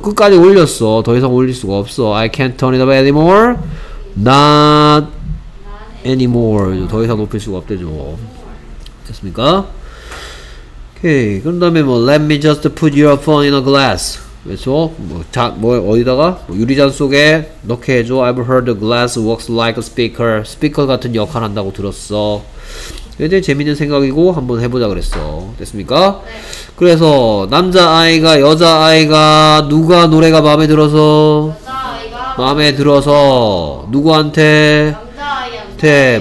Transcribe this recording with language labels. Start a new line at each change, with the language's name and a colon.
Korean: 끝까지 올렸어. 더 이상 올릴 수가 없어.
English: I can't turn it up anymore. Not anymore.
Korean: 더 이상 높일 수가 없대죠. 됐습니까? 오케이. 그런 다음에 뭐
English: Let me just put your phone in a glass.
Korean: 그래서 어디다가 뭐 유리잔 속에 넣게 해줘.
English: I've heard the glass works like a speaker.
Korean: 스피커 같은 역할 한다고 들었어. 굉장히 재밌는 생각이고 한번 해보자 그랬어. 됐습니까? 네. 그래서 남자 아이가 여자 아이가 누가 노래가 마음에 들어서 여자아이가 마음에 들어서 누구한테 남자아이한테